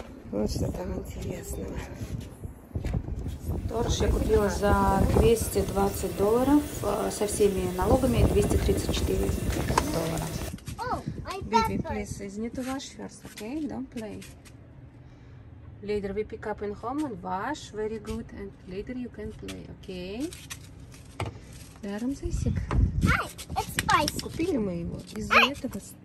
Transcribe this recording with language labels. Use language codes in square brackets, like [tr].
[ru] Вот что там интересного. Сторож я купила за $220 со всеми налогами и $234. [en] Baby, please, isn't it wash first, okay? Don't play. Later we pick up in home and wash very good, and later you can play, okay? [ru] Рамзесик. Купили мы его из-за этого.